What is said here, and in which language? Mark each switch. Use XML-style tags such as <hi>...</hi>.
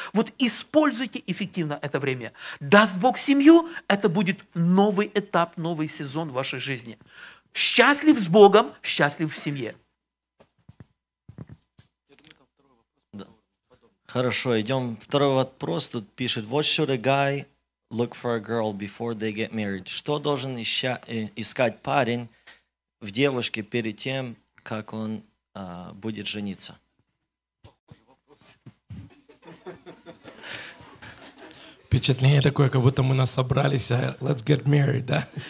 <ru>Вот используйте эффективно это время. Даст Бог семью, это будет новый этап, новый сезон в вашей жизни. Счастлив с Богом, счастлив в семье. Да. Хорошо, идем. Второй вопрос тут пишет.</ru> <en>What should a guy look for a girl before they get married?</en> <ru>Что должен искать парень в девушке перед тем, как он будет жениться? Впечатление такое, как будто мы нас собрались, а</ru> <en>let's get married,</en> <ru>да?</ru>